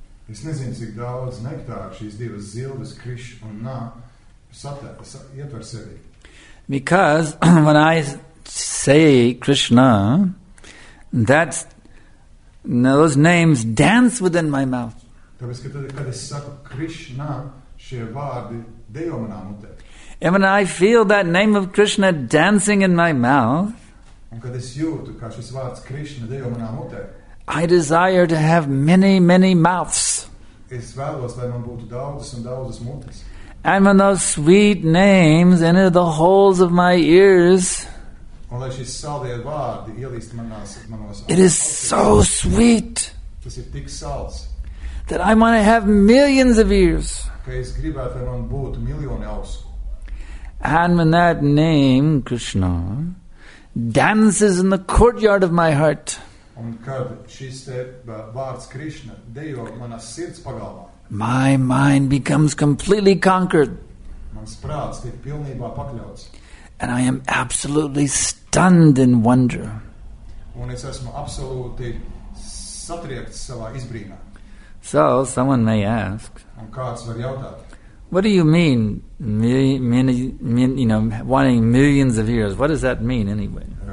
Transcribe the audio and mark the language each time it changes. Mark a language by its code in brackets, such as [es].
[lv] Es nezinu, cik daudz nektāru šīs divas zildes, Krish un Nā, ietver sevi. [en] Because when I say Krishna, those names dance within my mouth. [lv] Tāpēc, ka tad, kad es saku Krishna, šie vārdi dejo manā mutē. [en] And when I feel that name of Krishna dancing in my mouth, [lv] un kad es jūtu, kā šis vārds Krishna dejo manā mutē, [en] I desire to have many, many mouths. [lv] Es vēlos, lai man būtu daudzas un daudzas mutes. [en] And when those sweet names enter the holes of my ears, [lv] un, lai šis saldie vārdi ielīst manās, manos [en] it is so sweet. [lv] Tas ir tik salds. [en] That I want to have millions of ears. [lv] Ka es gribētu, lai man būtu miljoni ausu. [en] And when that name, Krishna, dances in the courtyard of my heart, [lv] un kad šis te vārds Krishna dejo manas sirds pagalvā, [en] my mind becomes completely conquered. [lv] Mans prāts tiek pilnībā pakļauts. [en] And I am absolutely stunned in wonder. [lv] Un es esmu absolūti satriekts savā izbrīnā. [en] So, someone may ask, [lv] un kāds var jautāt, [en] what do you mean, you know, wanting millions of ears? What does that mean anyway?